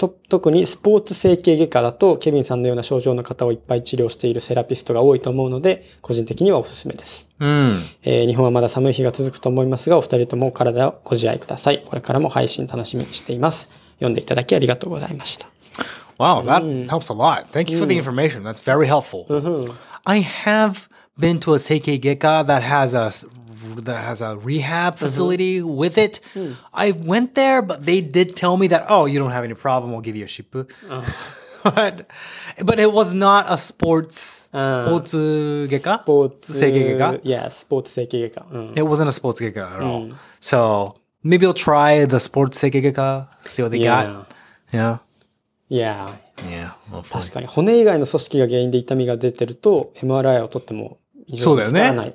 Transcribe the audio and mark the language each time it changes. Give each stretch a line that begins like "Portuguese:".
Japanese: 特にスポーツ整形外科だとケビンさんのような症状の方をいっぱい治療しているセラピストが多いと思うので個人的にはおすすめですうん日本はまだ寒い日が続くと思いますが、お二人とも体をご自愛ください。これからも配信楽しみにしています。読んでいただきありがとうございました。
English: Wow, that helps a lot. Thank you for the information. That's very helpful. I have been to a 整形外科 that has a rehab facility with it. I went there, but they did tell me that, oh, you don't have any problem. We'll give you a shippu. But it was not a sports. Sports 外科 Sports
Japanese: 整形外科
English: Yeah, sports 整形外科 It wasn't a sports 外科 at all. So, maybe I'll try the sports 整形外科 See what they got. Yeah.
Japanese: 確かに骨以外の組織が原因で痛みが出てると MRI を取っても異常が見つからない。